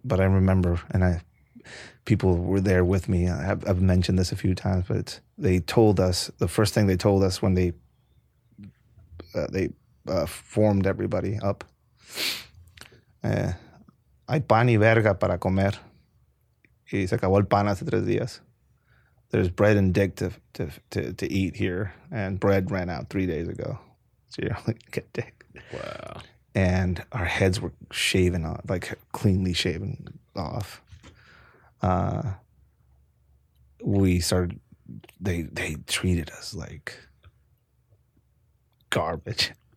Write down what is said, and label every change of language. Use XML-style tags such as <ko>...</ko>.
<en>But I remember, and people were there with me. I've mentioned this a few times, but they told us, the first thing they told us when they formed everybody up,</en> <es>hay pan y verga para comer. Y se acabó el pan hace 3 días.</es> <en>There's bread and dick to eat here, and bread ran out 3 days ago. So you're only gonna get dick. Wow. And our heads were shaven off, like cleanly shaven off. They treated us like garbage.</en>